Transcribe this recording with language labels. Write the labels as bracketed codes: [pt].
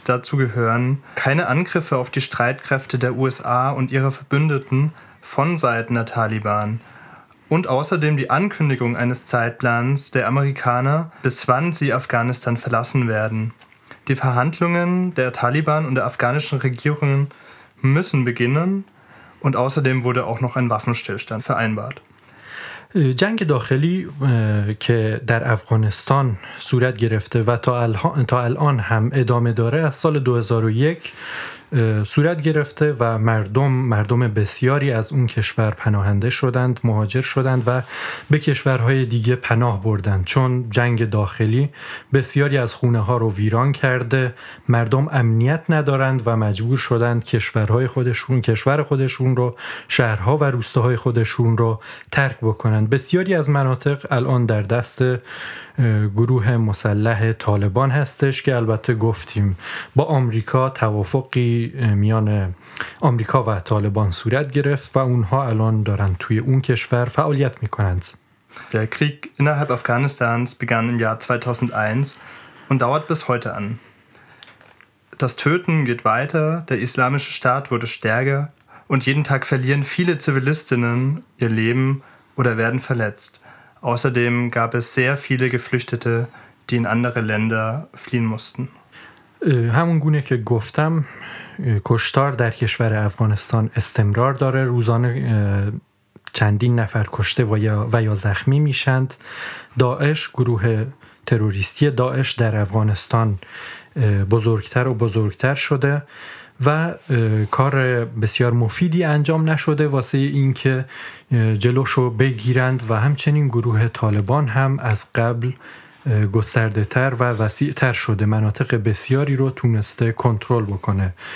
[de] Dazu gehören keine Angriffe auf die Streitkräfte der USA und ihrer Verbündeten von Seiten der Taliban und außerdem die Ankündigung eines Zeitplans der Amerikaner, bis wann sie Afghanistan verlassen werden. Die Verhandlungen der Taliban und der afghanischen Regierung müssen beginnen und außerdem wurde auch noch ein Waffenstillstand vereinbart. [fa] جنگ داخلی که در افغانستان صورت گرفته و تا الان هم ادامه داره از سال 2001 صورت گرفته و مردم بسیاری از اون کشور پناهنده شدند، مهاجر شدند و به کشورهای دیگه پناه بردند، چون جنگ داخلی بسیاری از خونه ها رو ویران کرده، مردم امنیت ندارند و مجبور شدند کشور خودشون رو، شهرها و روستاهای خودشون رو ترک بکنند. بسیاری از مناطق الان در دست گروه مسلح طالبان هستش که البته گفتیم با آمریکا توافقی میان آمریکا و طالبان صورت گرفت و اونها الان دارن توی اون کشور فعالیت میکنند. [de] Der Krieg innerhalb Afghanistans begann im Jahr 2001 und dauert bis heute an. Das Töten geht weiter, der islamische Staat wurde stärker und jeden Tag verlieren viele Zivilistinnen ihr Leben oder werden verletzt. Außerdem gab es sehr viele Geflüchtete, die in andere Länder fliehen mussten. [fa] همون گونه که گفتم کشتار در کشور افغانستان استمرار داره، روزانه چندین نفر کشته و یا زخمی میشند. داعش، گروه تروریستی داعش در افغانستان بزرگتر و بزرگتر شده و کار بسیار مفیدی انجام نشده واسه این که جلوشو بگیرند و همچنین گروه طالبان هم از قبل گسترده تر و وسیع تر شده، مناطق بسیاری رو تونسته کنترل بکنه.